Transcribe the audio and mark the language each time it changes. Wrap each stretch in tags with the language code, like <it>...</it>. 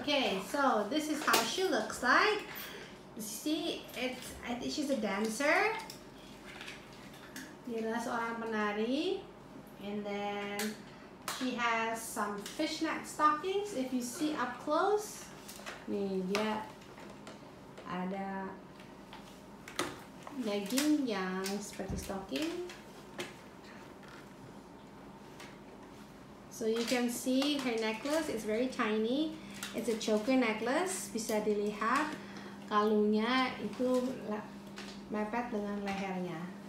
<en>Okay, so this is how she looks like. See, she's a dancer.</en> <id>Dia adalah seorang penari.</id> <en>And then she has some fishnet stockings. If you see up close,</en> <id>nih dia ada legging yang seperti stocking.</id> <en>So you can see her necklace is very tiny. It's a choker necklace.</en> <id>Bisa dilihat kalungnya itu mepet dengan lehernya.</id>